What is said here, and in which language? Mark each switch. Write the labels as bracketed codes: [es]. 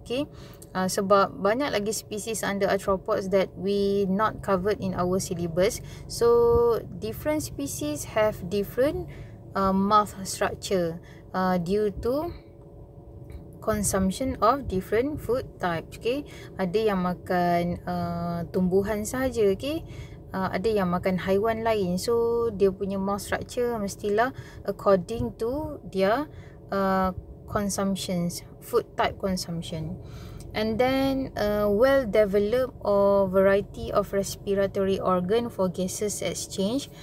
[en] Okay, [ms] sebab banyak lagi [en] species under arthropods that we not covered in our syllabus. So different species have different mouth structure due to consumption of different food type. [ms] Okay, ada yang makan tumbuhan saja. Okay, ada yang makan haiwan lain. [en] So [ms] dia punya [en] mouth structure [ms] mestilah [en] according to dia consumptions, food type consumption. And then well developed or variety of respiratory organ for gases exchange.